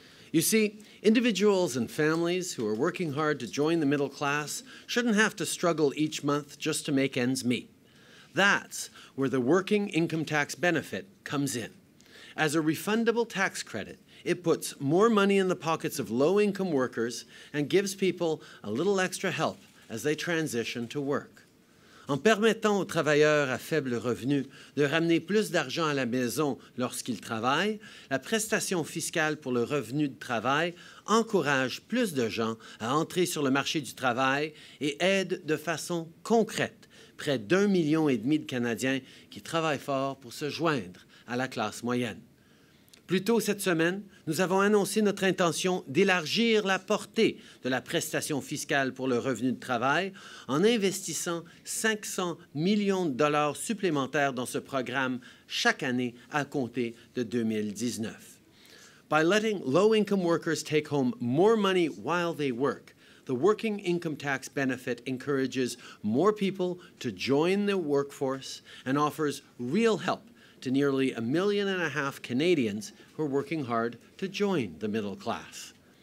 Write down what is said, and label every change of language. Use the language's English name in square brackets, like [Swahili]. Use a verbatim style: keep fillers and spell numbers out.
[English] You see, individuals and families who are working hard to join the middle class shouldn't have to struggle each month just to make ends meet. That's where the Working Income Tax Benefit comes in. As a refundable tax credit, it puts more money in the pockets of low-income workers and gives people a little extra help as they transition to work. [French] En permettant aux travailleurs à faible revenu de ramener plus d'argent à la maison lorsqu'ils travaillent, la prestation fiscale pour le revenu de travail encourage plus de gens à entrer sur le marché du travail et aide de façon concrète près d'un million et demi de Canadiens qui travaillent fort pour se joindre à la classe moyenne. Plus tôt cette semaine, nous avons annoncé notre intention d'élargir la portée de la prestation fiscale pour le revenu de travail en investissant cinq cents millions de dollars supplémentaires dans ce programme chaque année à compter de deux mille dix-neuf. [English] By letting low-income workers take home more money while they work, the Working Income Tax Benefit encourages more people to join the workforce and offers real help to nearly a million and a half Canadians who are working hard to join the middle class.